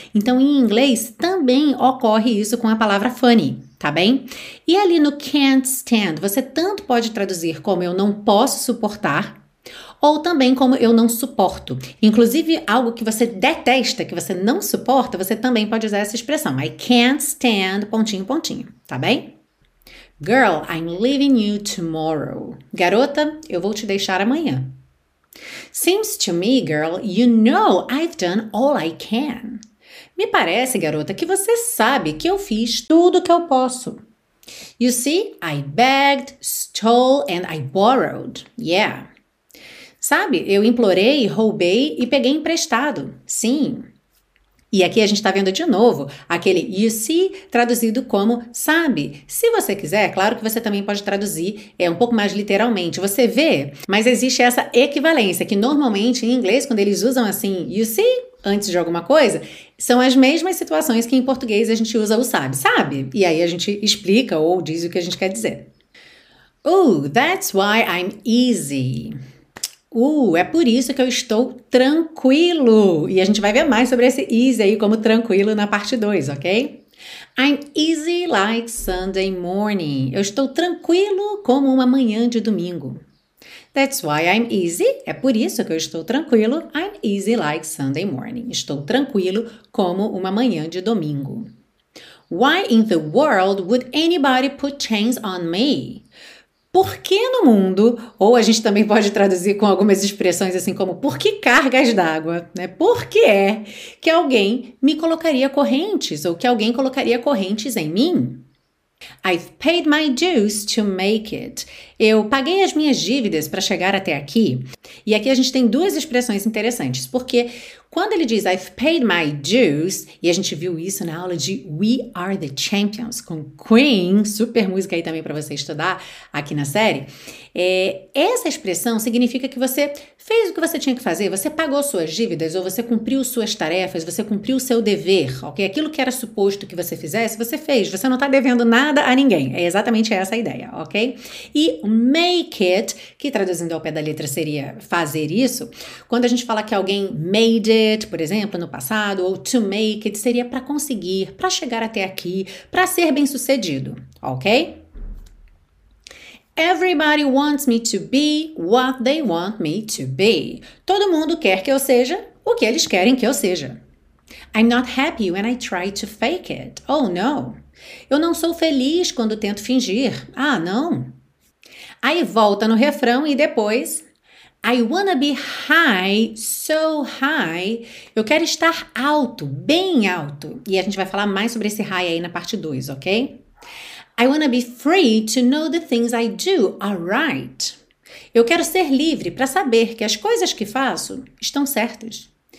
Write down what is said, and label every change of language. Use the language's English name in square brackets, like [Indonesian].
[Portuguese] Então, em inglês, também ocorre isso com a palavra funny, tá bem? E ali no [English] can't stand, [Portuguese] você tanto pode traduzir como eu não posso suportar, ou também como eu não suporto. Inclusive, algo que você detesta, que você não suporta, você também pode usar essa expressão. [English] I can't stand, [Portuguese] pontinho, pontinho, tá bem? [English] Girl, I'm leaving you tomorrow. [Portuguese] Garota, eu vou te deixar amanhã. [English] Seems to me, girl, you know I've done all I can. [Portuguese] Me parece, garota, que você sabe que eu fiz tudo que eu posso. [English] You see, I begged, stole and I borrowed. Yeah. [Portuguese] Sabe, eu implorei, roubei e peguei emprestado. Sim. E aqui a gente está vendo de novo aquele [English] you see [Portuguese] traduzido como sabe. Se você quiser, claro que você também pode traduzir um pouco mais literalmente. Você vê, mas existe essa equivalência que normalmente em inglês, quando eles usam assim [English] you see [Portuguese] antes de alguma coisa, são as mesmas situações que em português a gente usa o sabe, sabe? E aí a gente explica ou diz o que a gente quer dizer. [English] Oh, that's why I'm easy. [Portuguese] É por isso que eu estou tranquilo. E a gente vai ver mais sobre esse easy aí como tranquilo na parte 2, ok? [English] I'm easy like Sunday morning. [Portuguese] Eu estou tranquilo como uma manhã de domingo. [English] That's why I'm easy. [Portuguese] É por isso que eu estou tranquilo. [English] I'm easy like Sunday morning. [Portuguese] Estou tranquilo como uma manhã de domingo. [English] Why in the world would anybody put chains on me? [Portuguese] Por que no mundo, ou a gente também pode traduzir com algumas expressões assim como por que cargas d'água, né? Por que é que alguém me colocaria correntes ou que alguém colocaria correntes em mim? [English] I've paid my dues to make it. [Portuguese] Eu paguei as minhas dívidas para chegar até aqui. E aqui a gente tem duas expressões interessantes, porque quando ele diz [English] I've paid my dues, [Portuguese] e a gente viu isso na aula de We Are the Champions com Queen, super música aí também para você estudar aqui na série, essa expressão significa que você fez o que você tinha que fazer, você pagou suas dívidas, ou você cumpriu suas tarefas, você cumpriu o seu dever, ok? Aquilo que era suposto que você fizesse, você fez, você não está devendo nada a ninguém. É exatamente essa a ideia, ok? E [English] make it, [Portuguese] que traduzindo ao pé da letra seria fazer isso, quando a gente fala que alguém [English] made it, [Portuguese] por exemplo, no passado, ou [English] to make it, [Portuguese] seria para conseguir, para chegar até aqui, para ser bem sucedido, ok? [English] Everybody wants me to be what they want me to be. [Portuguese] Todo mundo quer que eu seja o que eles querem que eu seja. [English] I'm not happy when I try to fake it. Oh, no. [Portuguese] Eu não sou feliz quando tento fingir. Ah, não. Aí volta no refrão e depois... [English] I wanna be high, so high. [Portuguese] Eu quero estar alto, bem alto. E a gente vai falar mais sobre esse high aí na parte 2, ok? [English] I wanna be free to know the things I do are right. [Portuguese] Eu quero ser livre para saber que as coisas que faço estão certas.